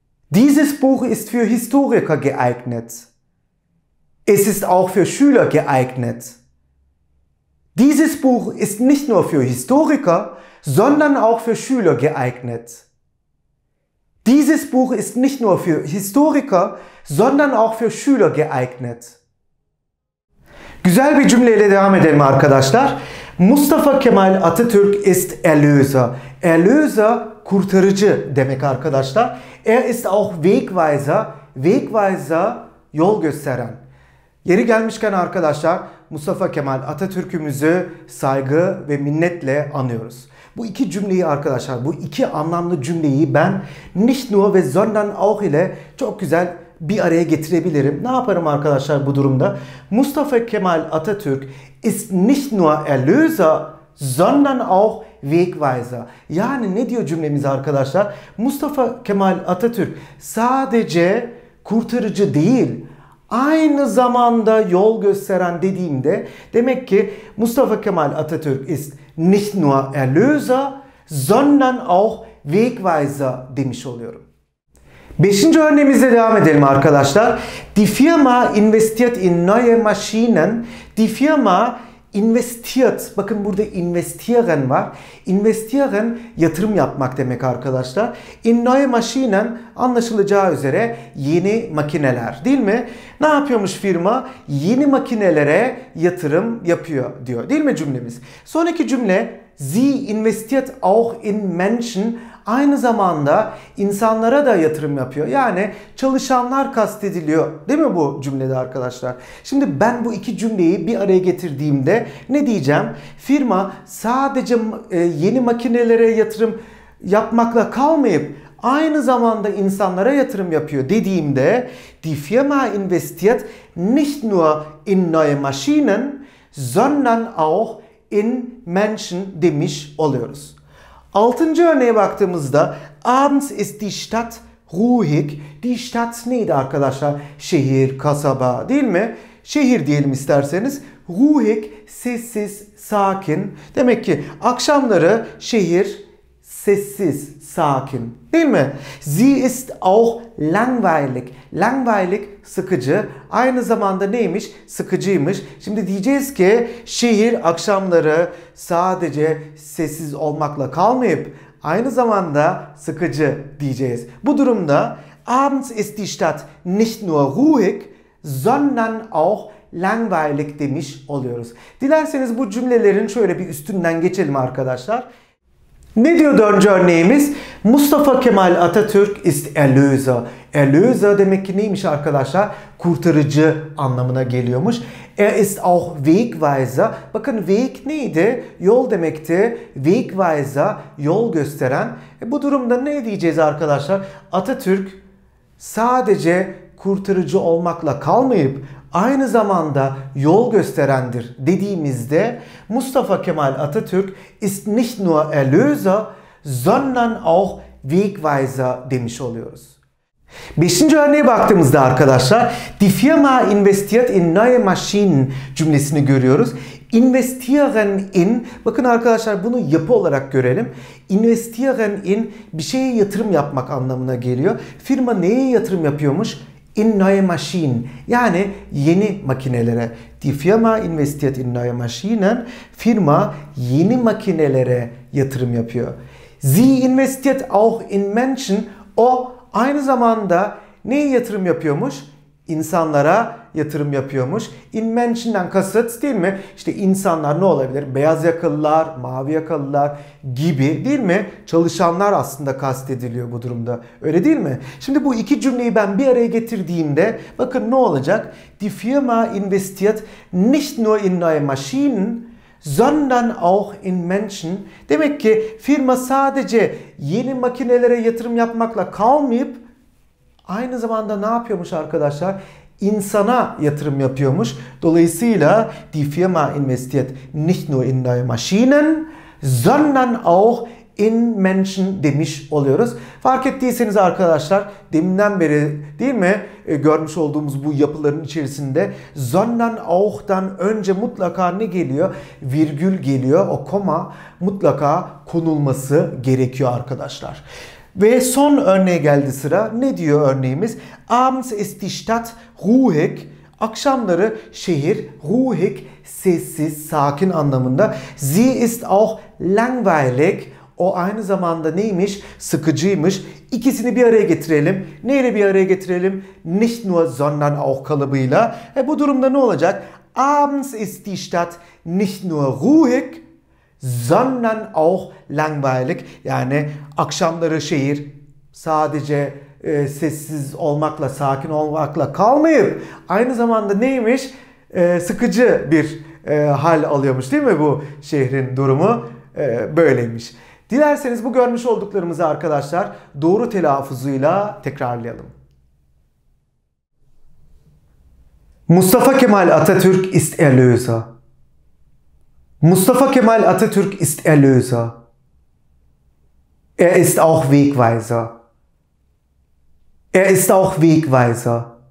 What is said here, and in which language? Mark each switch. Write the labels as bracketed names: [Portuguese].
[German] Dieses Buch ist für Historiker geeignet. Es ist auch für Schüler geeignet. Dieses Buch ist nicht nur für Historiker, sondern auch für Schüler geeignet. Dieses Buch ist nicht nur für Historiker, sondern auch für Schüler geeignet. [Turkish] Güzel bir cümleyle devam edelim arkadaşlar. [German] Mustafa Kemal Atatürk ist Erlöser. [Turkish] Erlöser, kurtarıcı demek arkadaşlar. [German] Er ist auch Wegweiser. [Turkish] Wegweiser, yol gösteren. Yeri gelmişken arkadaşlar, Mustafa Kemal Atatürk'ümüzü saygı ve minnetle anıyoruz. Bu iki cümleyi arkadaşlar, bu iki anlamlı cümleyi ben nicht nur ve sondern auch ile çok güzel bir araya getirebilirim. Ne yaparım arkadaşlar bu durumda? [German] Mustafa Kemal Atatürk ist nicht nur Erlöser, sondern auch Wegweiser. [Turkish] Yani ne diyor cümlemiz arkadaşlar? [German] Mustafa Kemal Atatürk sadece kurtarıcı değil, aynı zamanda yol gösteren dediğimde demek ki Mustafa Kemal Atatürk ist nicht nur Erlöser, sondern auch Wegweiser [Turkish] demiş oluyorum. Beşinci örneğimizle devam edelim arkadaşlar. [German] Die Firma investiert in neue Maschinen. Die Firma investiert, [Turkish] bakın burada investieren var. Investieren, yatırım yapmak demek arkadaşlar. [German] In neue Maschinen, [Turkish] anlaşılacağı üzere yeni makineler, değil mi? Ne yapıyormuş firma? Yeni makinelere yatırım yapıyor diyor, değil mi cümlemiz? Sonraki cümle, [German] sie investiert auch in Menschen. [Turkish] Aynı zamanda insanlara da yatırım yapıyor. Yani çalışanlar kastediliyor. Değil mi bu cümlede arkadaşlar? Şimdi ben bu iki cümleyi bir araya getirdiğimde ne diyeceğim? Firma sadece yeni makinelere yatırım yapmakla kalmayıp aynı zamanda insanlara yatırım yapıyor dediğimde [German] die Firma investiert nicht nur in neue Maschinen, sondern auch in Menschen [Turkish] demiş oluyoruz. Altıncı örneğe baktığımızda [German] abends ist die Stadt ruhig. [Turkish] Die Stadt neydi arkadaşlar? Şehir, kasaba, değil mi? Şehir diyelim isterseniz. Ruhig, sessiz, sakin. Demek ki akşamları şehir sessiz, sakin. Değil mi? [German] Sie ist auch langweilig. [Turkish] Langweilig, sıkıcı. Aynı zamanda neymiş? Sıkıcıymış. Şimdi diyeceğiz ki şehir akşamları sadece sessiz olmakla kalmayıp aynı zamanda sıkıcı diyeceğiz. Bu durumda [German] abends ist die Stadt nicht nur ruhig, sondern auch langweilig [Turkish] demiş oluyoruz. Dilerseniz bu cümlelerin şöyle bir üstünden geçelim arkadaşlar. Ne diyor dördüncü örneğimiz? [German] Mustafa Kemal Atatürk ist Erlöser. [Turkish] Erlöser demek ki neymiş arkadaşlar? Kurtarıcı anlamına geliyormuş. [German] Er ist auch Wegweiser. [Turkish] Bakın Weg neydi? Yol demekti. Wegweiser, yol gösteren. Bu durumda ne diyeceğiz arkadaşlar? Atatürk sadece kurtarıcı olmakla kalmayıp aynı zamanda yol gösterendir dediğimizde [German] Mustafa Kemal Atatürk ist nicht nur Erlöser, sondern auch Wegweiser [Turkish] demiş oluyoruz. Beşinci örneğe baktığımızda arkadaşlar [German] die Firma investiert in neue Maschinen [Turkish] cümlesini görüyoruz. Investieren in, bakın arkadaşlar bunu yapı olarak görelim. Investieren in bir şeye yatırım yapmak anlamına geliyor. Firma neye yatırım yapıyormuş? [German] In neue Maschinen, [Turkish] yani yeni makinelere. [German] Die Firma investiert in neue Maschinen. [Turkish] Firma yeni makinelere yatırım yapıyor. [German] Sie investiert auch in Menschen. [Turkish] O aynı zamanda neye yatırım yapıyormuş? İnsanlara yatırım yapıyormuş. In Menschen'den kasıt, değil mi? İşte insanlar ne olabilir? Beyaz yakalılar, mavi yakalılar gibi, değil mi? Çalışanlar aslında kastediliyor bu durumda. Öyle değil mi? Şimdi bu iki cümleyi ben bir araya getirdiğimde bakın ne olacak? [German] Die Firma investiert nicht nur in neue Maschinen, sondern auch in Menschen. [Turkish] Demek ki firma sadece yeni makinelere yatırım yapmakla kalmayıp aynı zamanda ne yapıyormuş arkadaşlar? İnsana yatırım yapıyormuş. Dolayısıyla [German] die Firma investiert nicht nur in neue Maschinen, sondern auch in Menschen [Turkish] demiş oluyoruz. Fark ettiyseniz arkadaşlar deminden beri değil mi görmüş olduğumuz bu yapıların içerisinde sondern auch'dan önce mutlaka ne geliyor? Virgül geliyor. O koma mutlaka konulması gerekiyor arkadaşlar. Ve son örneğe geldi sıra. Ne diyor örneğimiz? [German] Abends ist die Stadt ruhig. [Turkish] Akşamları şehir ruhig, sessiz, sakin anlamında. [German] Sie ist auch langweilig. [Turkish] O aynı zamanda neymiş? Sıkıcıymış. İkisini bir araya getirelim. Neyle bir araya getirelim? Nicht nur, sondern auch kalıbıyla. Bu durumda ne olacak? [German] Abends ist die Stadt nicht nur ruhig, sondern auch langweilig. [Turkish] Yani akşamları şehir sadece sessiz olmakla, sakin olmakla kalmayıp aynı zamanda neymiş? Sıkıcı bir hal alıyormuş, değil mi bu şehrin durumu? Böyleymiş. Dilerseniz bu görmüş olduklarımızı arkadaşlar doğru telaffuzuyla tekrarlayalım. [German] Mustafa Kemal Atatürk ist Erlöser. Mustafa Kemal Atatürk ist Erlöser. Er ist auch Wegweiser. Er ist auch Wegweiser.